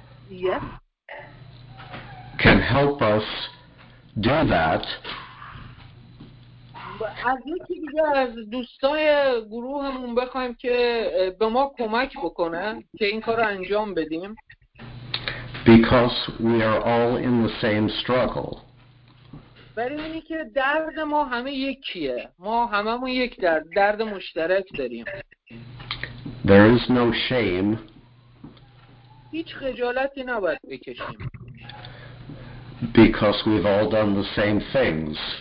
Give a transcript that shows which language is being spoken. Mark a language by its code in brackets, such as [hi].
[en] Yes. Can help us do that. [fa] از یکی دیگه از دوستای گروهمون بخوایم که به ما کمک بکنه که این کار رو انجام بدیم. [en] Because we are all in the same struggle. [fa] برای اینی که درد ما همه یکیه. ما هممون یک درد مشترک داریم. [en] There is no shame. [fa] هیچ خجالتی نباید بکشیم. [en] Because we've all done the same things.